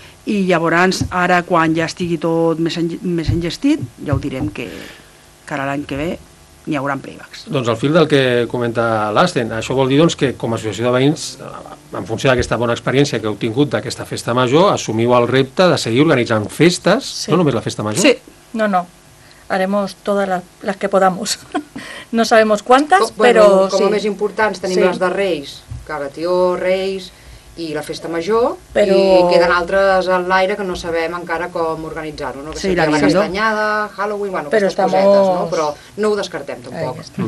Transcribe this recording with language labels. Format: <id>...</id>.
<ca>I llavors, ara, quan ja estigui tot més engestit, ja ho direm que ara l'any que ve n'hi haurà playbacks. Doncs al fil del que comenta l'Asten, això vol dir doncs, que com a associació de veïns, en funció d'aquesta bona experiència que heu tingut d'aquesta festa major, assumiu el repte de seguir organitzant festes, sí. No només la festa major?</ca> <es>Sí, no, haremos todas las que podamos. No sabemos cuántas, però bueno, sí.</es> <ca>Com a més importants tenim sí. Les de Reis, Caratió, Reis i la festa major, però... i queden altres en l'aire que no sabem encara com organitzar-ho, no? Sí, la castanyada, Halloween, bueno, però aquestes</ca> <es>estamos...</es> <ca>cosetes, no? Però no ho descartem tampoc.</ca>